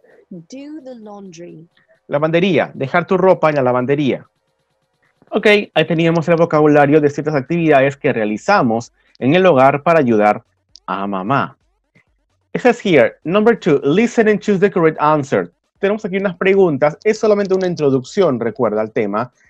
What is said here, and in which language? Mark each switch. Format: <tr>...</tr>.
<en>Do the laundry.</en> <es>Lavandería. Dejar tu ropa en la lavandería. Ok, ahí teníamos el vocabulario de ciertas actividades que realizamos en el hogar para ayudar a mamá.</es> <en>It says here, number two, listen and choose the correct answer.</en> <es>Tenemos aquí unas preguntas, es solamente una introducción, recuerda, al tema.</es>